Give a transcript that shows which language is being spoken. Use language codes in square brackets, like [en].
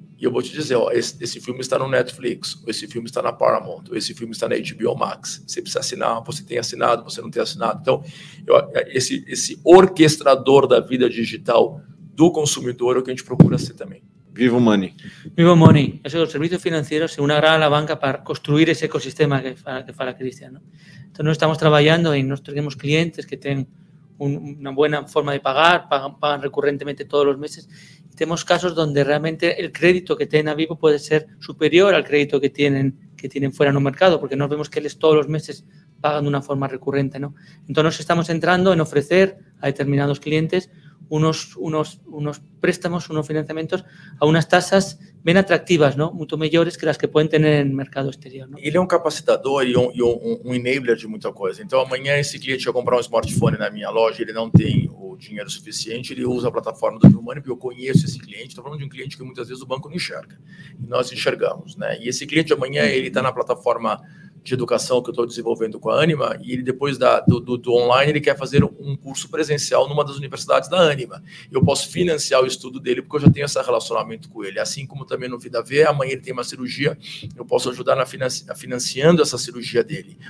[pt] E eu vou te dizer, ó, esse filme está no Netflix, ou esse filme está na Paramount, ou esse filme está na HBO Max. Você precisa assinar, você tem assinado, você não tem assinado. Então, esse orquestrador da vida digital do consumidor é o que a gente procura ser também. Vivo Money. Vivo Money. [es] Esos son los servicios financieros, una gran alavanca para construir ese ecosistema que [pt] fala [es] Cristian, ¿no? Entonces, estamos trabajando y nos tenemos clientes que tienen una buena forma de pagar, pagan recurrentemente todos los meses. Tenemos casos donde realmente el crédito que tienen a Vivo puede ser superior al crédito que tienen fuera en un mercado, porque nos vemos que ellos todos los meses pagan de una forma recurrente, ¿no? Entonces, estamos entrando en ofrecer a determinados clientes unos préstamos, unos financiamientos a unas tasas bien atractivas, ¿no? Mucho mejores que las que pueden tener en el mercado exterior, ¿no? Él es un capacitador y un enabler de muchas cosas. Entonces, mañana ese cliente va a comprar un smartphone en mi loja, él no tiene el dinero suficiente, él usa la plataforma de Vivo Money, porque yo conozco ese cliente. Estoy hablando de un cliente que muchas veces el banco no enxerga. Y nosotros enxergamos, ¿no? Y ese cliente, mañana, él está en la plataforma de [pt] educação que eu estou desenvolvendo com a Ânima, e ele depois do online, ele quer fazer um curso presencial numa das universidades da Ânima. Eu posso financiar o estudo dele porque eu já tenho esse relacionamento com ele. Assim como também no Vida V, amanhã ele tem uma cirurgia, eu posso ajudar financiando essa cirurgia dele.